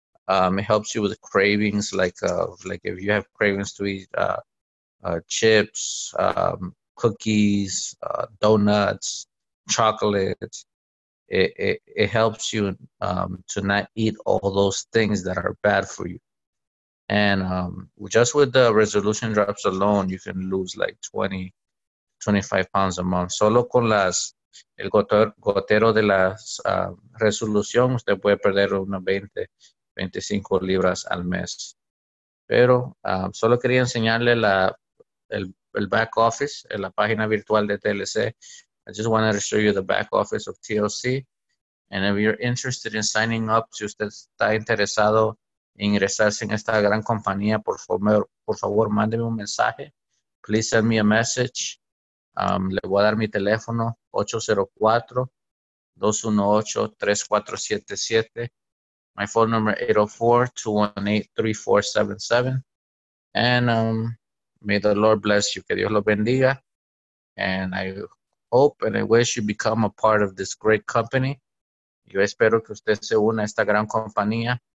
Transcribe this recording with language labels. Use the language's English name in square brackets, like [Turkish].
[English] It helps you with cravings, like if you have cravings to eat chips, cookies, donuts, chocolate. It helps you to not eat all those things that are bad for you. And just with the resolution drops alone, you can lose like 20, 25 pounds a month. [Spanish] Solo con las el gotero de las resolución, usted puede perder unas 20, 25 libras al mes. Pero solo quería enseñarle el back office, en la página virtual de TLC. [English] I just wanted to show you the back office of TLC. And if you're interested in signing up, [Spanish] si usted está interesado en ingresarse en esta gran compañía, por favor, mándeme un mensaje. [English] Please send me a message. [Spanish] Le voy a dar mi teléfono, 804-218-3477. [English] My phone number, 804-218-3477. And may the Lord bless you. [Spanish] Que Dios lo bendiga. [English] And I hope and I wish you become a part of this great company. [Spanish] Yo espero que usted se una a esta gran compañía.